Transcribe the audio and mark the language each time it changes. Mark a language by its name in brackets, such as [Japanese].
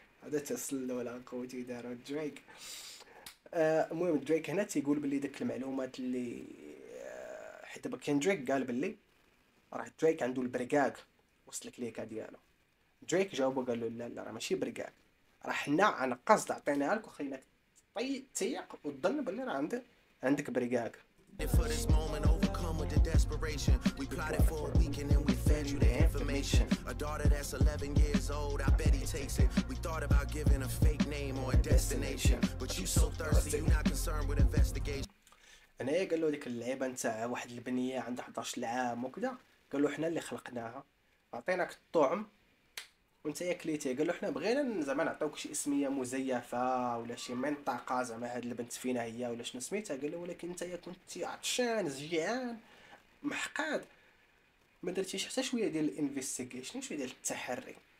[Arabic] هذا تسلل ولا قوتي دارو دريك. المهم دريك هنا تيقول بلي داك المعلومات اللي حيت دابا كيندريك قال بلي راه دريك عنده البرقاق وصل لك ليكا ديالو. دريك جاوبو قال له لا لا راه ماشي برقاق راه حنا انا قصد عطيناها لك وخليناك تيق وتظن بلي راه عندك برقاق. [English] For this moment overcome with the desperation we plotted for a weekend and we fed you the information a daughter that's 11 years old I bet he takes it we thought about giving a fake name or a destination but you so thirsty you're not concerned with investigation. [Arabic] انا قال له ديك اللعيبه نتاع واحد البنيه عندها 11 عام وكذا قال له حنا اللي خلقناها عطيناك الطعم وانت يا كليتي. قال له حنا بغينا زعما نعطيوك شي اسميه مزيفه ولا شي منطقه زعما هاد البنت فينا هي ولا شنو سميتها. قال له ولكن انت يا كنتي عطشان زيان محقاد ما درتيش حتى شويه ديال الانفستيغيشن شويه ديال التحري.